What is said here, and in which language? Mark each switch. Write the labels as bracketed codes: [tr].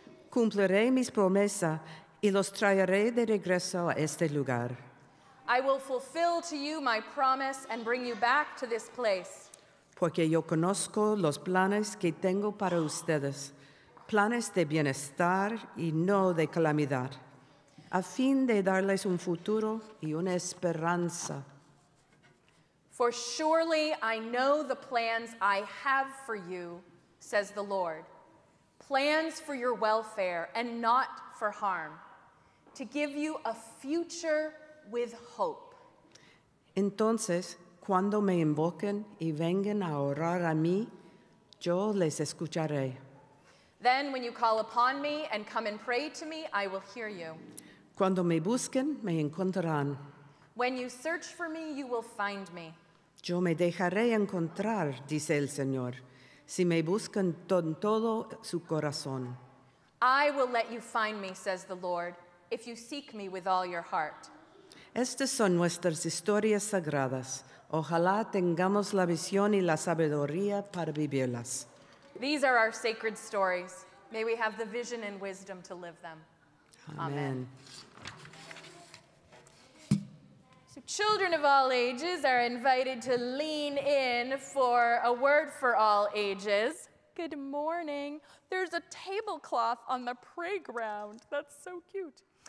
[es] Cumpliré mis promesas y los traeré de regreso a este lugar. [en] I will fulfill to you my promise and bring you back to this place. [es] Porque yo conozco los planes que tengo para ustedes, planes de bienestar y no de calamidad, a fin de darles un futuro y una esperanza. [en] For surely I know the plans I have for you, says the Lord. Plans for your welfare and not for harm, to give you a future with hope. [es] Entonces, cuando me invoquen y vengan a orar a mí, yo les escucharé. [en] Then when you call upon me and come and pray to me, I will hear you. [es] Cuando me busquen, me encontrarán. [en] When you search for me, you will find me. [es] Yo me dejaré encontrar, dice el Señor, si me buscan con todo su corazón. [en] I will let you find me, says the Lord, if you seek me with all your heart. [es] Estas son nuestras historias sagradas. Ojalá tengamos la visión y la sabiduría para vivirlas. [en] These are our sacred stories. May we have the vision and wisdom to live them. Amen. So children of all ages are invited to lean in for a word for all ages. Good morning. There's a tablecloth on the playground. That's so cute.